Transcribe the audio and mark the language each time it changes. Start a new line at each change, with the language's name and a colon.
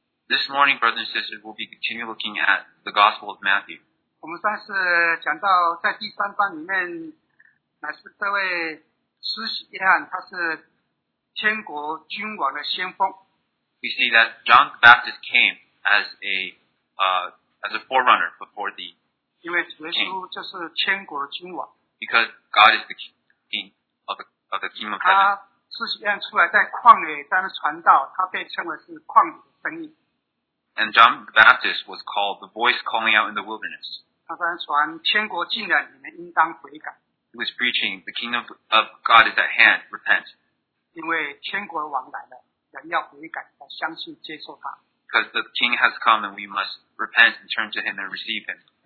English: This morning, brothers and sisters, we'll be continuing looking at the Gospel of Matthew.
Chinese: 我们上次讲到在第三章里面乃是这位施洗约翰他是天国君王的先锋。
English: We see that John the Baptist came as a forerunner before the king.
Chinese: 因为耶稣就是天国的君王。
English: Because God is the king of the kingdom of heaven.
Chinese: 他施洗约翰出来在旷野当传道，他被称为是旷野的声音。
English: And John the Baptist was called the voice calling out in the wilderness. He was preaching, the kingdom of God is at hand, repent. Because the king has come and we must repent and turn to him and receive him.